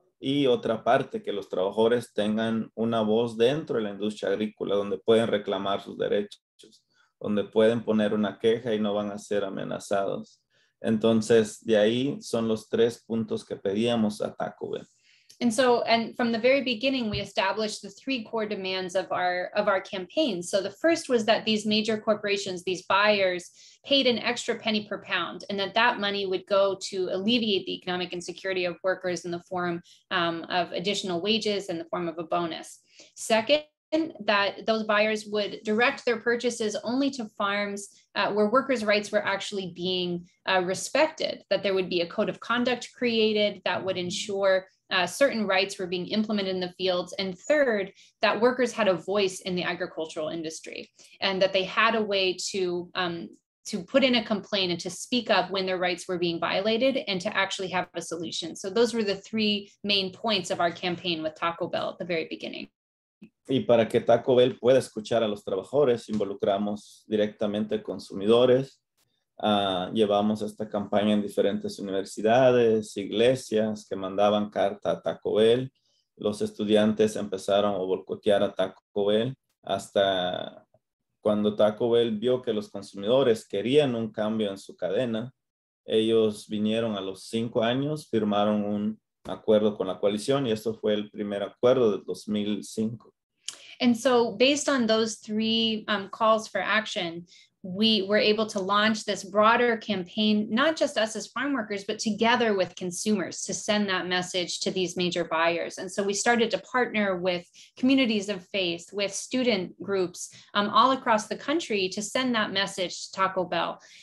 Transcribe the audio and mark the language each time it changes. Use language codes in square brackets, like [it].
[es] Y otra parte, que los trabajadores tengan una voz dentro de la industria agrícola donde pueden reclamar sus derechos, donde pueden poner una queja y no van a ser amenazados. Entonces, de ahí son los tres puntos que pedíamos a Taco Bell. [en] And so, and from the very beginning, we established the three core demands of our campaign. So the first was that these major corporations, these buyers, paid an extra penny per pound, and that that money would go to alleviate the economic insecurity of workers in the form of additional wages and the form of a bonus. Second, that those buyers would direct their purchases only to farms where workers' rights were actually being respected, that there would be a code of conduct created that would ensure certain rights were being implemented in the fields. And third, that workers had a voice in the agricultural industry and that they had a way to put in a complaint and to speak up when their rights were being violated and to actually have a solution. So those were the three main points of our campaign with Taco Bell at the very beginning. [es] Y para que Taco Bell pueda escuchar a los trabajadores, involucramos directamente consumidores. Llevamos esta campaña en diferentes universidades, iglesias que mandaban carta a Taco Bell. Los estudiantes empezaron a boicotear a Taco Bell hasta cuando Taco Bell vio que los consumidores querían un cambio en su cadena. Ellos vinieron a los 5 años, firmaron un acuerdo con la coalición y esto fue el primer acuerdo del 2005. [en] And so based on those three calls for action, we were able to launch this broader campaign, not just us as farm workers, but together with consumers to send that message to these major buyers. And so we started to partner with communities of faith, with student groups all across the country to send that message to Taco Bell.